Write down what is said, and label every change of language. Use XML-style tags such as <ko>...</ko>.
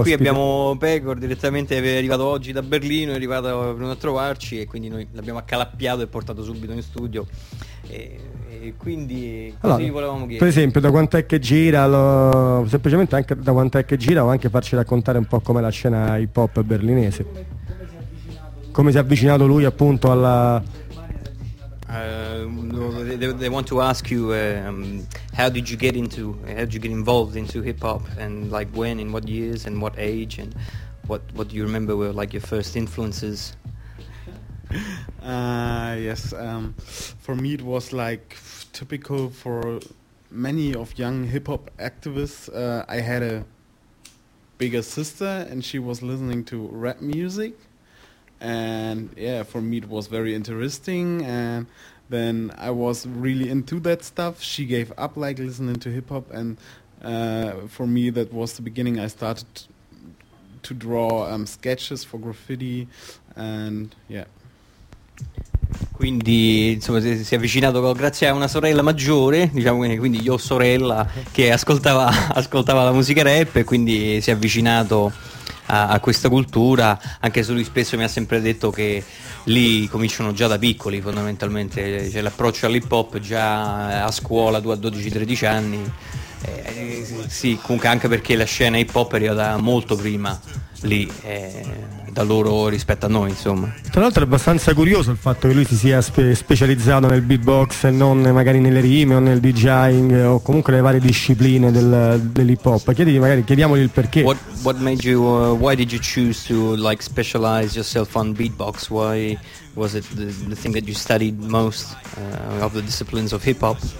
<it>Qui abbiamo Pecor, direttamente è arrivato oggi da Berlino, è arrivato a trovarci e quindi noi l'abbiamo accalappiato e portato subito in studio. E quindi così allora, volevamo chiedere. Per esempio, da quant'è che gira, semplicemente anche da quant'è che gira, o anche farci raccontare un po' com'è la scena hip hop berlinese. Come si è avvicinato lui appunto alla...</it> <en>They want to ask you how did you get involved into hip hop, and like when, in what years, and what age, and what do you remember were like your first influences? For me it was like typical for many of young hip hop activists. I had a bigger sister and she was listening to rap music. And yeah, for me it was very interesting, and then I was really into that stuff. She gave up like listening to hip-hop, and for me that was the beginning. I started to draw sketches for graffiti, and yeah.</en> <it>Quindi insomma si è avvicinato grazie a una sorella maggiore, diciamo, quindi io sorella, che ascoltava la musica rap, e quindi si è avvicinato a questa cultura. Anche se lui spesso mi ha sempre detto che lì cominciano già da piccoli, fondamentalmente c'è l'approccio all'hip hop già a scuola, tu a 12-13 anni. Sì, comunque anche perché la scena hip hop arriva da molto prima lì, da loro rispetto a noi, insomma. Tra l'altro è abbastanza curioso il fatto che lui si sia specializzato nel beatbox e non magari nelle rime o nel DJing o comunque le varie discipline dell'hip hop. Chiediamogli il perché.</it> <en>What made you why did you choose to like specialize yourself on beatbox? Why was it the thing that you studied most of the disciplines of hip hop?</en>